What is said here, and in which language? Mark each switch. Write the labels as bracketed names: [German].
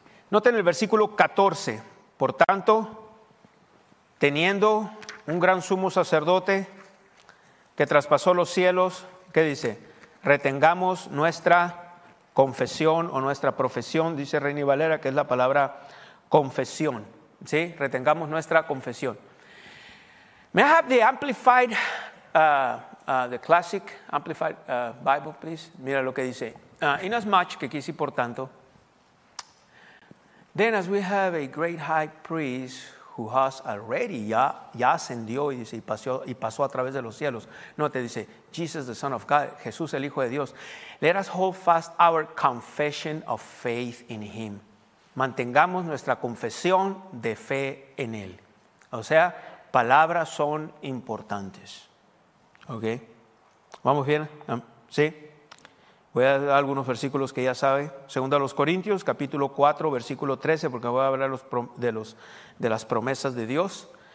[Spanish] Note en el versículo 14, por tanto, teniendo un gran sumo sacerdote que traspasó los cielos, ¿qué dice? Retengamos nuestra confesión o nuestra profesión, dice Reina y Valera, que es la palabra confesión. ¿Sí? Retengamos nuestra confesión. [English] May I have the Amplified, the Classic Amplified Bible, please? [Spanish] Mira lo que dice. Inasmuch, que quise por tanto. [English] Then as we have a great high priest who has already, [Spanish] ya ascendió y dice, y pasó a través de los cielos. No, te dice, [English] Jesus the Son of God, [Spanish] Jesús el Hijo de Dios. [English] Let us hold fast our confession of faith in him. [Spanish] Mantengamos nuestra confesión de fe en él. O sea, palabras son importantes. ¿Ok? ¿Vamos bien? ¿Sí? Voy a dar algunos versículos que ya sabe. Segundo a los Corintios, capítulo 4, versículo 13, porque voy a hablar de las promesas de Dios.